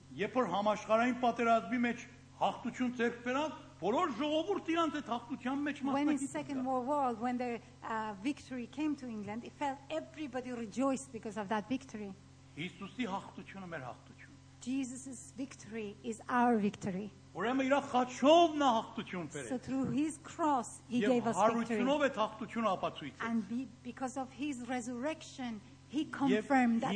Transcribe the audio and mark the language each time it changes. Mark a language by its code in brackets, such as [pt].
[hy] Եթե համաշխարհային պատերազմի մեջ հաղթություն ձեռք բերավ, բոլոր ժողովուրդը իրանց այդ հաղթության մեջ մասնակցեց։ [en] When in the Second World War, when the victory came to England, it felt everybody rejoiced because of that victory. [hy] Հիսուսի հաղթությունը մեր հաղթություն։ [en] Jesus's victory is our victory. [hy] Ուրեմն իրա խաչով նա հաղթություն բերեց։ [en] So through his cross he gave us victory. [hy] Եվ հաղթությունով այդ հաղթությունը ապացուցեց։ [en] And because of his resurrection, he confirmed that.